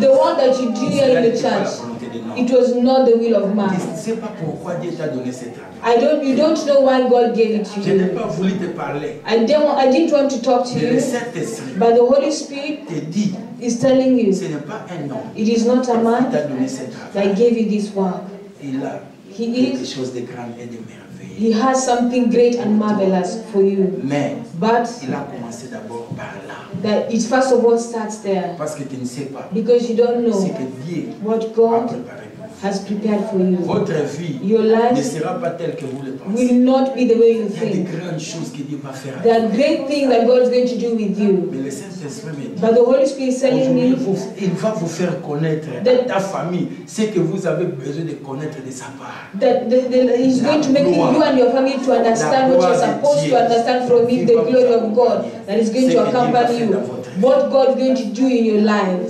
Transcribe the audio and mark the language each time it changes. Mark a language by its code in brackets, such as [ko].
[en] The one that you do here in the church. It was not the will of man. [fr] Tu ne sais pas pourquoi Dieu t'a donné cet travail. [en] You don't know why God gave it to you. [fr] Je n'ai pas voulu te parler. [en] I didn't want to talk to you. But the Holy Spirit [fr] te dit, [en] is telling you. [fr] Ce n'est pas un homme. [en] It is not a man that gave you this work. [fr] Il a quelque chose de grand et de merveilleux. [en] He has something great and marvelous for you. [fr] Mais [en] but [fr] il a commencé d'abord par là. [en] That it first of all starts there. [fr] Parce que tu ne sais pas. [en] Because you don't know [fr] ce que Dieu [en] what God has prepared for you. [fr] Votre vie [en] your life [fr] ne sera pas telle que vous le pensez. [en] Will not be the way you think. [fr] Il y a des grandes choses que Dieu va faire. [en] There are great things that God is going to do with you. [fr] Mais le Saint-Esprit me dit, [en] but the Holy Spirit is telling me [fr] il va vous faire connaître [en] that [fr] ta famille ce que vous avez besoin de connaître de sa part. [en] That he's going to make you and your family to understand what you're supposed [fr] Dieu [en] to understand from him, the glory of God that is going to accompany you. What God is going to do in your life.